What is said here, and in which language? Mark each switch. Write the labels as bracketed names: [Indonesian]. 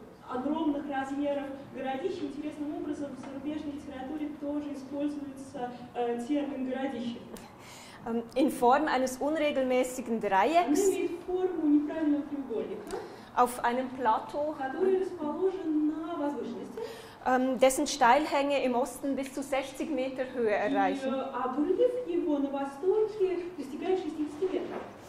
[Russian] Огромных размеров городища. Интересным образом в зарубежной литературе тоже используется термин городище. [German] In Form eines unregelmäßigen Dreiecks. [Russian] Он имеет форму неправильного треугольника. [German] Auf einem Plateau. [Russian] Который расположен на возвышенности. [German] Dessen Steilhänge im Osten bis zu 60 Meter Höhe erreichen. [Russian] Обрыв его на востоке достигает 60 метров.